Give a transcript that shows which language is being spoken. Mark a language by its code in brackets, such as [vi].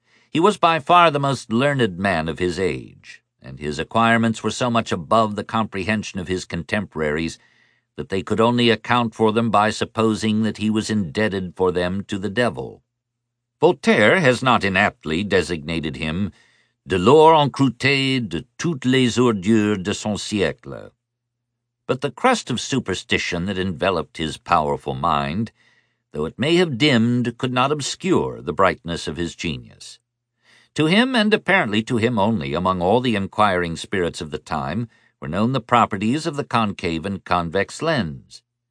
[en] He was by far the most learned man of his age, and his acquirements were so much above the comprehension of his contemporaries that they could only account for them by supposing that he was indebted for them to the devil. Voltaire has not inaptly designated him [fr] de l'or encrouté de toutes les ordures de son siècle. [en] But the crust of superstition that enveloped his powerful mind, though it may have dimmed, could not obscure the brightness of his genius. To him, and apparently to him only, among all the inquiring spirits of the time, were known the properties of the concave and convex lens.